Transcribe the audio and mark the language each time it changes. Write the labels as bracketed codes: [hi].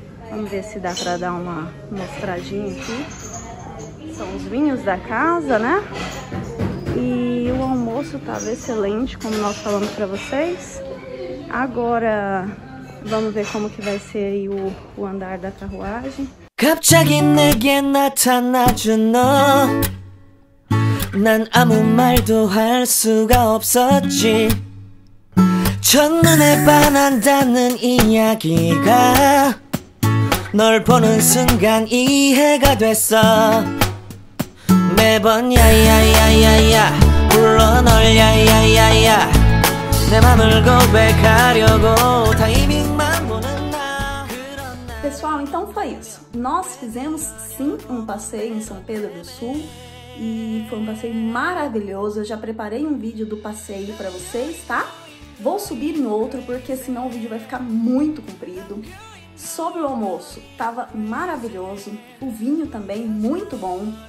[pt] Vamos ver se dá pra dar uma mostradinha aqui. São os vinhos da casa, né? E o almoço tava excelente, como nós falamos pra vocês. Agora vamos ver como que vai ser aí o andar da carruagem. [ko] 갑자기 내게 나타나죠 너. 난 아무 말도 할 수가 없었지. 첫눈에 반한다는 이야기가 널 보는 순간 이해가 됐어. 매번 야야야야야 불러 널 야야야야 내 맘을 고백하려고 타이밍만 보는 나 그런 나. [pt] Pessoal, então foi isso. Nós fizemos sim um passeio em São Pedro do Sul e foi um passeio maravilhoso. Eu já preparei um vídeo do passeio para vocês, tá? Vou subir em outro porque senão o vídeo vai ficar muito comprido. Sobre o almoço, tava maravilhoso, o vinho também muito bom.